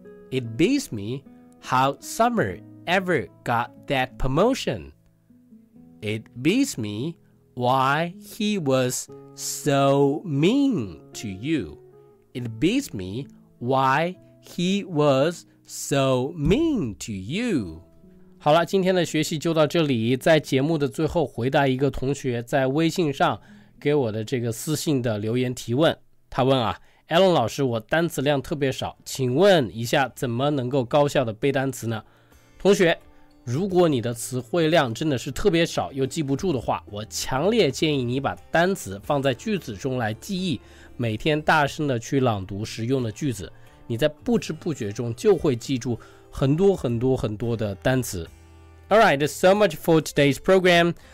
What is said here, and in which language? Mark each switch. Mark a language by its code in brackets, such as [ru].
[en] It beats me how Summer ever got that promotion. It beats me why he was so mean to you. It beats me why he was so mean to you. [zh] 好了，今天的学习就到这里。在节目的最后，回答一个同学在微信上给我的这个私信的留言提问，他问啊 ，Alan 老师，我单词量特别少，请问一下怎么能够高效的背单词呢？同学，如果你的词汇量真的是特别少又记不住的话，我强烈建议你把单词放在句子中来记忆，每天大声的去朗读实用的句子，你在不知不觉中就会记住很多很多很多的单词。 [en] All right, that's so much for today's program.